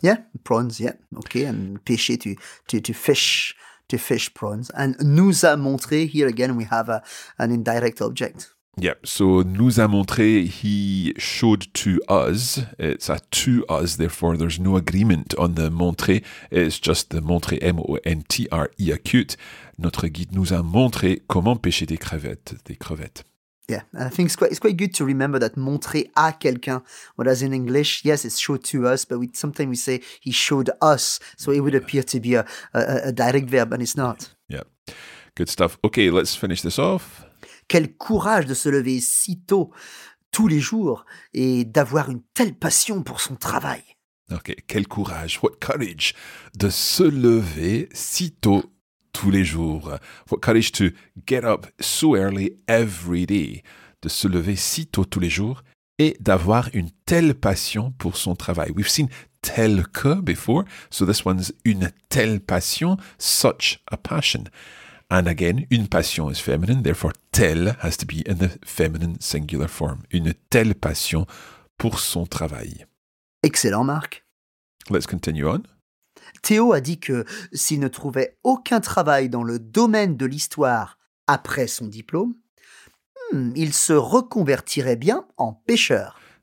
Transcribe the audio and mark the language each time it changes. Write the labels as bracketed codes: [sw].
[en] Yeah, prawns, yeah. Okay, and pêcher, to fish prawns. And nous a montré, here again we have an indirect object. Yeah, so [fr] nous a montré, [en] he showed to us. It's a to us, therefore there's no agreement on the montré. It's just the montré, M-O-N-T-R-E, acute. [fr] Notre guide nous a montré comment pêcher des crevettes. [en] Yeah, and I think it's quite good to remember that [fr] montrer à quelqu'un. [en] Well, as in English, yes, it's show to us, but sometimes we say he showed us, so it would appear to be a direct verb, and it's not. Yeah, good stuff. Okay, let's finish this off. [fr] Quel courage de se lever si tôt, tous les jours, et d'avoir une telle passion pour son travail. Okay, quel courage, [en] what courage, [fr] de se lever si tôt, tous les jours. [en] What courage to get up so early every day. [fr] De se lever si tôt tous les jours et d'avoir une telle passion pour son travail. [en] We've seen tel que before. So this one's [fr] une telle passion, [en] such a passion. And again, une passion is feminine. Therefore, tel has to be in the feminine singular form. [fr] Une telle passion pour son travail. [en] Excellent, Marc. Let's continue on. [fr] Théo a dit que s'il ne trouvait aucun travail dans le domaine de l'histoire après son diplôme, il se reconvertirait bien en pêcheur.